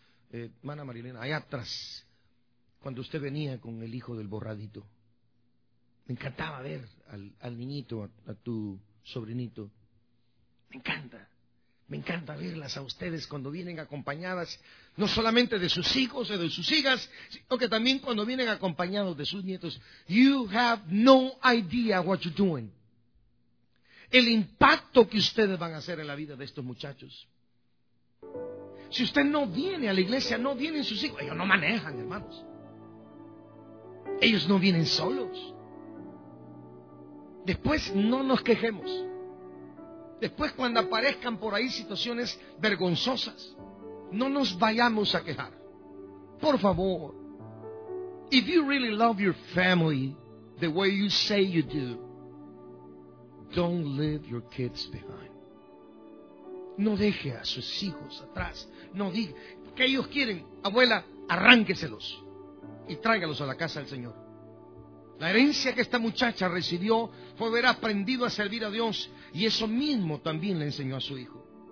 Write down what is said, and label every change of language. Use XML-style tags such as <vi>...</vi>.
<es>Hermana Marielena, allá atrás, cuando usted venía con el hijo del borradito. Me encantaba ver al niñito, a tu sobrinito. Me encanta. Me encanta verlas a ustedes cuando vienen acompañadas, no solamente de sus hijos o de sus hijas, sino que también cuando vienen acompañados de sus nietos.</es> <en>You have no idea what you're doing.</en> <es>El impacto que ustedes van a hacer en la vida de estos muchachos. Si usted no viene a la iglesia, no vienen sus hijos. Ellos no manejan, hermanos. Ellos no vienen solos. Después no nos quejemos. Después, cuando aparezcan por ahí situaciones vergonzosas, no nos vayamos a quejar. Por favor.</es> <en>If you really love your family the way you say you do, don't leave your kids behind.</en> <es>No deje a sus hijos atrás. No diga que ellos quieren, abuela, arránqueselos y tráigalos a la casa del Señor. La herencia que esta muchacha recibió fue haber aprendido a servir a Dios, y eso mismo también le enseñó a su hijo.</es>